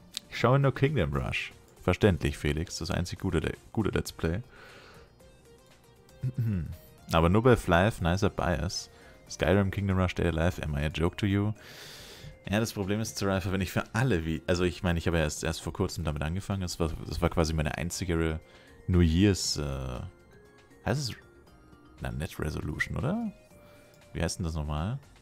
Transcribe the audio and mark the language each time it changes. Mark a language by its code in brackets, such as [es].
[de] Ich schaue nur Kingdom Rush. Verständlich, Felix. Das einzig gute Let's Play. Aber nur bei Flife, nicer Bias. [en] Skyrim, Kingdom Rush, Dead Alive, am I a joke to you? [de] Ja, das Problem ist, Zerifer, wenn ich für alle wie... Also ich meine, ich habe ja erst vor kurzem damit angefangen. Das war quasi meine einzige New Year's... heißt es... Na, Net Resolution, oder? Wie heißt denn das nochmal?